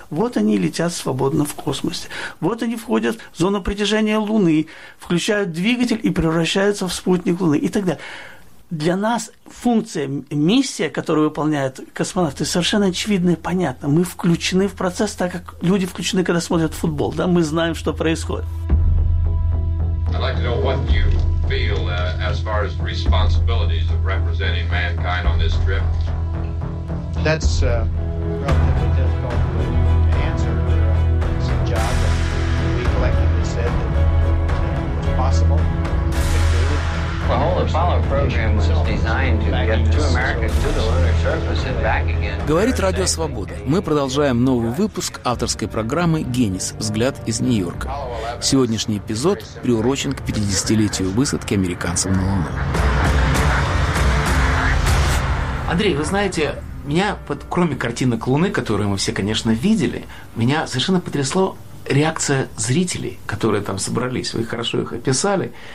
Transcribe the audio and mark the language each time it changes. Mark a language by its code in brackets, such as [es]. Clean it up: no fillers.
[ru] Вот они летят свободно в космосе. Вот они входят в зону притяжения Луны, включают двигатель и превращаются в спутник Луны и так далее. Для нас функция, миссия, которую выполняют космонавты, совершенно очевидна и понятна. Мы включены в процесс, так как люди включены, когда смотрят футбол. Да? Мы знаем, что происходит. [en] I'd like to know what you feel as far as the responsibilities of representing mankind on this trip. That's relatively difficult to answer. It's a job that we collectively said that was possible. The whole Apollo program was designed to get two Americans to the lunar surface and back again. [ru] Говорит Радио Свобода. Мы продолжаем новый выпуск авторской программы «Генис. Взгляд из Нью-Йорка». Сегодняшний эпизод приурочен к 50-летию высадки американцев на Луну. Андрей, вы знаете, меня, кроме картинок Луны, которые мы все, конечно, видели, меня совершенно потрясло реакция зрителей, которые там собрались. Вы хорошо их описали.